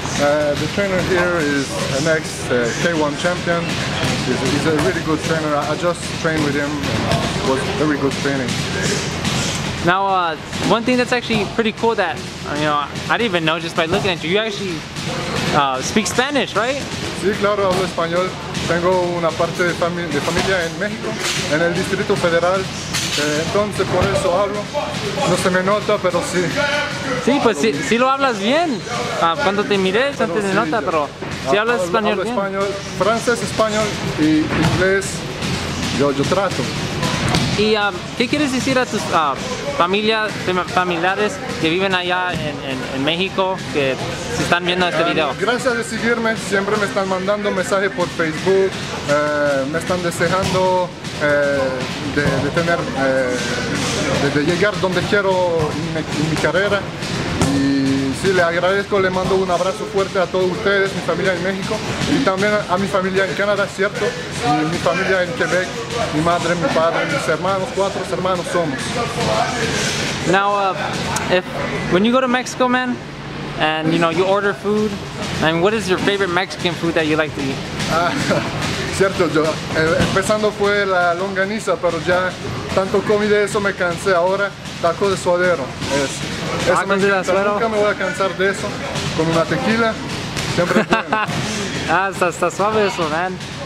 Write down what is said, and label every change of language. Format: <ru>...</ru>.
<en>The trainer here is an ex-K1 champion. He's a really good trainer. I just trained with him. It was very good training. Now, one thing that's actually pretty cool that, you know, I didn't even know just by looking at you, you actually speak Spanish, right?</en> <es>Sí, claro, hablo español. Tengo una parte de familia en México, en el Distrito Federal. Entonces, por eso hablo. No se me nota, pero sí. Sí, pues sí, sí lo hablas bien. Cuando te miré, se te nota, pero sí hablas español bien. Español, francés, español y inglés, yo trato. ¿Y qué quieres decir a tus familiares que viven allá en México, que se están viendo este video? Gracias de seguirme, siempre me están mandando mensajes por Facebook, me están deseando de llegar donde quiero en mi carrera. Y sí, le agradezco, le mando un abrazo fuerte a todos ustedes, mi familia en México, y también a mi familia en Canadá, ¿cierto? Y mi familia en Quebec, mi madre, mi padre, mis hermanos, cuatro hermanos somos.</es> <en>Now, when you go to Mexico, man, and you know, you order food, I mean, what is your favorite Mexican food that you like to eat?</en> <es>Cierto, yo empezando fue la longaniza, pero ya tanto comí de eso, me cansé. Ahora, taco de suadero. Eso tacos de suadero. Nunca me voy a cansar de eso. Con una tequila, siempre es bueno. está suave eso, man.</es>